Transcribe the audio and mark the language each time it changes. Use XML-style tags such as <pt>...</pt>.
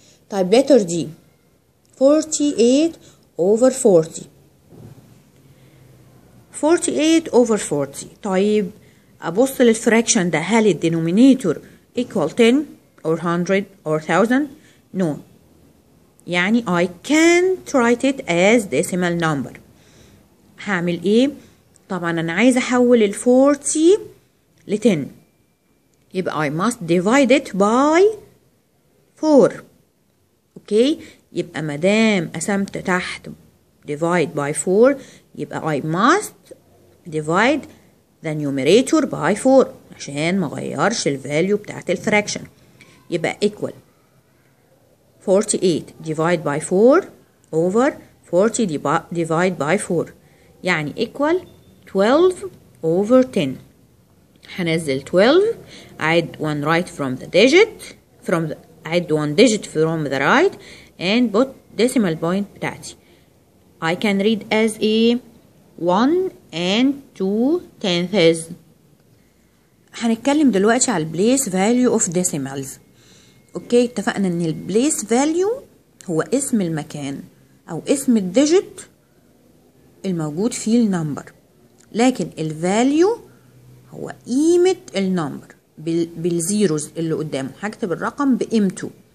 <ar>طيب letter D 48 over 40 طيب أبص للفراكشن ده هل الدينومينيتور equal 10 or 100 or 1000 no يعني</ar> <en>I can't write it as decimal number</en> <ar>هعمل ايه طبعا انا عايز احول ال 40 ل 10، يبقى</ar> <en>I must divide it by 4.</en> <ar>اوكي، يبقى مدام قسمت تحت divide by 4، يبقى</ar> <en>I must divide the numerator by 4</en> <ar>عشان ما غيرش الفاليو بتاعت الفراكشن. يبقى equal 48</ar> <en>divide by 4</en> <ar>over 40 divide by 4، يعني equal 12 over 10. هنزل</ar> <en>12، add one right from the digit from the, add one digit from the right and put decimal point</en> <ar>بتاعتي.</ar> <en>I can read as a 1 and 2 tenths.</en> <ar>هنتكلم دلوقتي على</ar> <en>place value of decimals.</en> <ar>اوكي، اتفقنا ان place value هو اسم المكان او اسم الديجيت الموجود فيه النمبر، لكن الفاليو هو قيمة النمبر بالزيروز اللي قدامه، هكتب الرقم بقيمته.</ar>